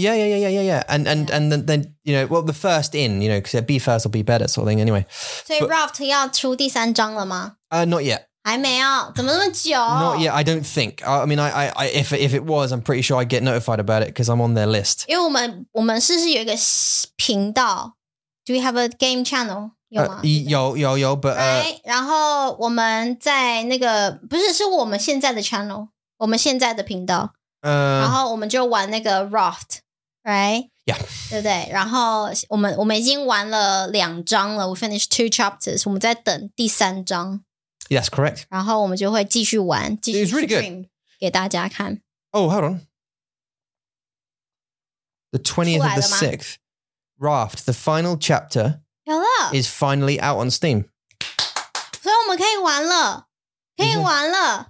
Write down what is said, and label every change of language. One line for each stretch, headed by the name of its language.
English: Yeah. And then, you know, well, the first in, you know, because be first or be better sort of thing anyway.
Chinese: So Raft 要出第三章了吗？
English: Not yet.
Chinese: 还没有，怎么那么久？
English: Not yet, I don't think. I mean, I if it was, I'm pretty sure I'd get notified about it because I'm on their list.
Chinese: 因为我们是不是有一个频道？
English: Do we have a game channel?
Chinese: 有吗？有
English: but, right,
Chinese: 然后我们在那个，不是，是我们现在的 channel， 我们现在的频道。然后我们就玩那个 Raft,
English: right? Yeah.
Chinese: 对不对？然后我们已经玩了两章了，
English: we finished two chapters,
Chinese: 我们在等第三章。
English: Yes, yeah, correct.
Chinese: 然后我们就会继续玩，继续
English: stream
Chinese: 给大家看。
English: Oh, hold on. The 20th of the 6th. Raft, the final chapter, is finally out on Steam.
Chinese: 所以我们可以玩了，可以玩了。